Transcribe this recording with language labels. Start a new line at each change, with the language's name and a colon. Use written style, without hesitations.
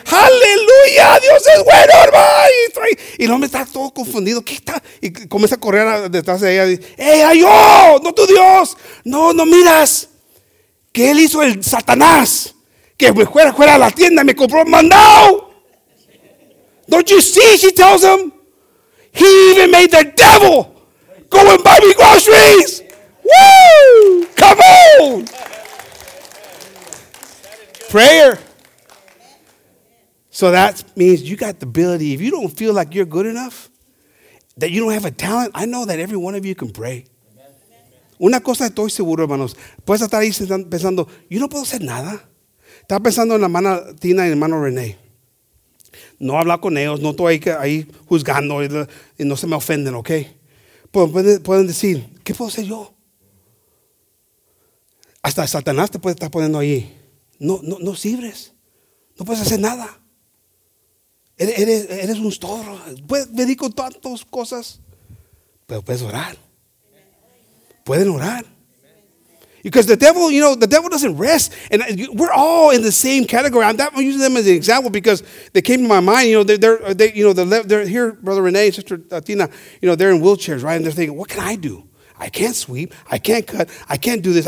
Spanish: ¡Aleluya! ¡Dios es bueno, hermano! Y el hombre está todo confundido. ¿Qué está? Y comienza a correr detrás de ella. ¡Ey, yo! ¡No tu Dios! ¡No miras! ¿Qué él hizo el Satanás? Que me fuera a la tienda y me compró un mandado.
English: Don't you see? She tells him. He even made the devil go and buy me groceries. Woo! Come on! Prayer. So that means you got the ability. If you don't feel like you're good enough, that you don't have a talent, I know that every one of you can pray.
Spanish: Una cosa estoy seguro, hermanos. Puedes estar ahí pensando, yo no puedo hacer nada. Estaba pensando en la hermana Tina y el hermano René. No he hablado con ellos, no estoy ahí juzgando y no se me ofenden, ¿ok? Pueden decir, ¿qué puedo hacer yo? Hasta Satanás te puede estar poniendo ahí. No sirves. No puedes hacer nada. Eres un estorbo. Puedes venir con tantas cosas, pero puedes orar. Pueden orar.
English: Because the devil, you know, the devil doesn't rest. And we're all in the same category. I'm using them as an example because they came to my mind. You know, they're here, Brother Renee, Sister Tina, you know, they're in wheelchairs, right? And they're thinking, what can I do? I can't sweep. I can't cut. I can't do this.